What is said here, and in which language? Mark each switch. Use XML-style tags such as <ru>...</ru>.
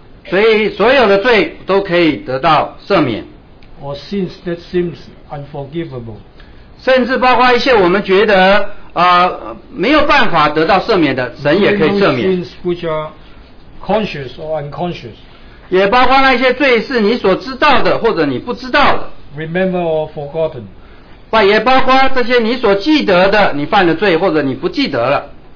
<zh>所以所有的罪都可以得到赦免</zh> <en>or sins that seems unforgivable.</en> <zh>甚至包括一些我们觉得没有办法得到赦免的神也可以赦免</zh> <en>including those sins which are conscious or unconscious.</en> <zh>也包括那些罪是你所知道的或者你不知道的</zh> <en>Remember or forgotten</en> <zh>也包括这些你所记得的你犯的罪或者你不记得了</zh>